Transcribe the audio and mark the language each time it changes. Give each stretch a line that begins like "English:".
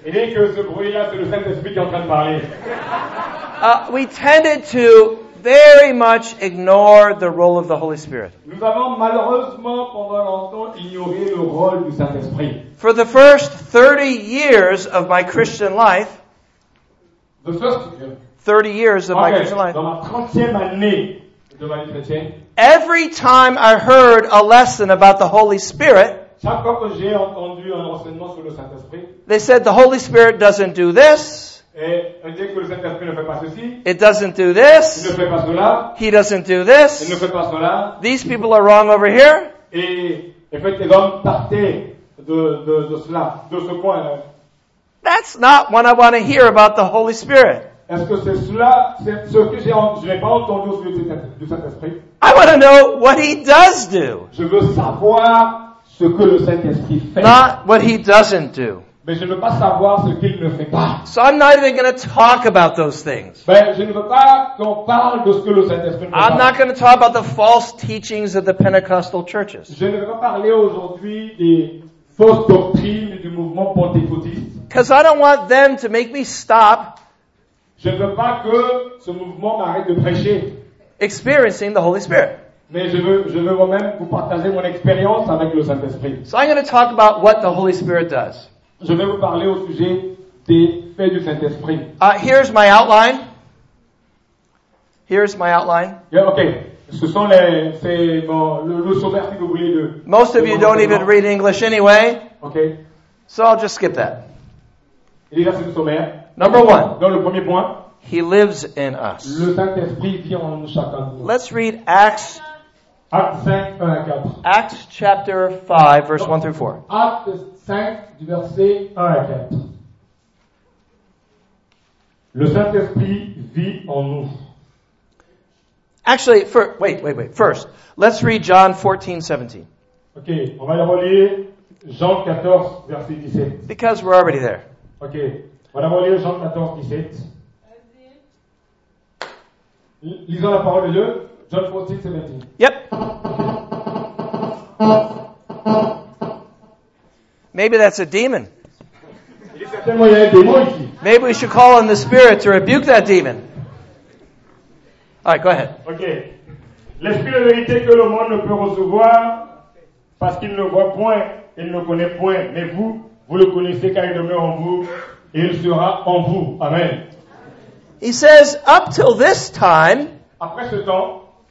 English: We tended to very much ignore the role of the Holy Spirit.
French: Nous avons malheureusement pendant longtemps ignoré le rôle du Saint-Esprit.
English: For the first 30 years of my Christian life, the first 30 years of okay, my Christian life.
French: Dans ma 30e année de ma vie chrétienne,
English: every time I heard a lesson about the Holy Spirit,
French: chaque fois que j'ai entendu un enseignement sur le Saint-Esprit,
English: they said the Holy Spirit doesn't do this.
French: Et dès que le Saint-Esprit ne fait pas ceci,
English: it doesn't do this.
French: Il ne fait pas cela.
English: He doesn't do this.
French: Il ne fait pas cela.
English: These people are wrong over here.
French: Et fait, les hommes partaient de cela, de ce point là.
English: That's not what I want to hear about the Holy Spirit.
French: Est-ce que c'est cela, c'est ce que je n'ai pas entendu au sujet du Saint-Esprit?
English: I want to know what he does do.
French: Je veux savoir ce que le Saint-Esprit fait.
English: Not what he doesn't do.
French: Mais je ne veux pas savoir ce qu'il ne fait pas.
English: So I'm not even going to talk about those things.
French: Mais je ne veux pas qu'on parle de ce que le Saint-Esprit fait.
English: I'm not going to talk about the false teachings of the Pentecostal churches.
French: Je ne veux pas parler aujourd'hui des fausses doctrines du mouvement pentecôtiste.
English: Because I don't want them to make me stop.
French: Je veux pas que ce mouvement m'arrête de prêcher.
English: Experiencing the Holy Spirit.
French: Mais je veux moi-même vous partager mon expérience avec le Saint-Esprit.
English: So I'm going to talk about what the Holy Spirit does.
French: Je vais vous parler au sujet des faits du Saint-Esprit.
English: Here's my outline. Here's my outline. Yeah, okay.
French: Ce sont le sommaire que vous voulez de.
English: Most of you don't even read English anyway. Okay. So I'll just skip that. Number one.
French: Dans le premier point,
English: he lives in us.
French: Le Saint-Esprit vit en chacun de nous.
English: Let's read Acts.
French: Acts 5, 1 à 4.
English: Acts chapter 5, verse 1 through 4.
French: Acts 5, du verset 1 à 4. Le Saint-Esprit vit en nous.
English: Actually, wait. First, let's read John 14, 17.
French: Okay, on va relire Jean 14, verset 17.
English: Because we're already there.
French: Ok, on va lire Jean 14, 17. Lisons la parole de Dieu. Jean 14, 17.
English: Yep. Maybe that's a demon.
French: Il est certainement qu'il y a un démon ici.
English: Maybe we should call on the Spirit to rebuke that demon. All right, go ahead. Ok.
French: L'Esprit de vérité que le monde ne peut recevoir parce qu'il ne le voit point et ne le connaît point, mais vous. Vous le connaissez car il demeure en vous et il sera en vous. Amen.
English: He says, up till this time,
French: après ce temps,